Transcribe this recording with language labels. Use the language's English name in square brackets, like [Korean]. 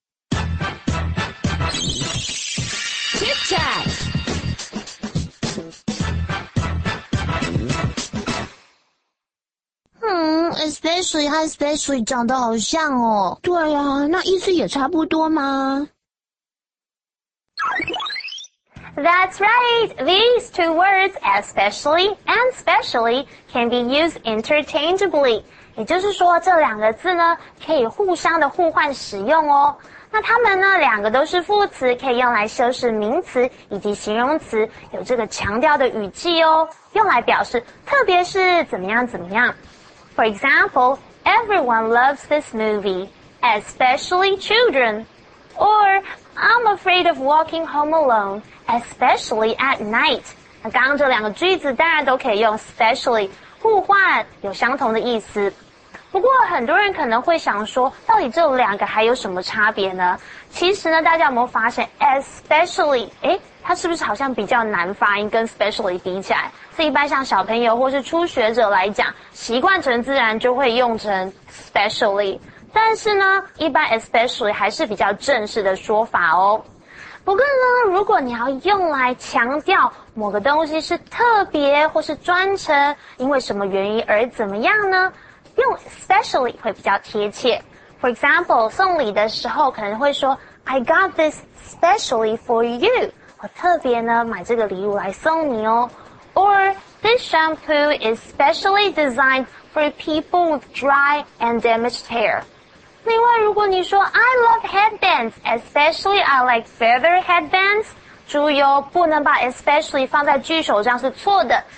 [English] Chit chat. [Chinese] Especially 和 especially 长得好像哦。对啊，那意思也差不多吗？ [English] That's right! These two words, especially and specially, can be used interchangeably. [Chinese] 也就是说，这两个字呢，可以互相的互换使用哦。那它们呢，两个都是副词，可以用来修饰名词以及形容词，有这个强调的语气哦，用来表示特别是怎么样怎么样。 [English] For example, everyone loves this movie, especially children. Or, I'm afraid of walking home alone, especially at night. [Chinese] 刚刚这两个句子当然都可以用 specially 互换，有相同的意思。不过很多人可能会想说，到底这两个还有什么差别呢？其实呢，大家有没有发现 especially, 它是不是好像比较难发音，跟 specially 比起来？所以一般像小朋友或是初学者来讲，习惯成自然就会用成 specially。但是呢，一般 especially 还是比较正式的说法哦。不过呢，如果你要用来强调某个东西是特别或是专程，因为什么原因而怎么样呢？用 specially 会比较贴切。 [English] For example, [Chinese] 送礼的时候可能会说 [English] I got this specially for you. [Chinese] 我特别呢买这个礼物来送你哦。 [English] Or, this shampoo is specially designed for people with dry and damaged hair. [Chinese] 另外如果你说 [English] I love headbands, especially I like feather headbands. [Chinese] 注意哦，不能把 especially 放在句首上是错的。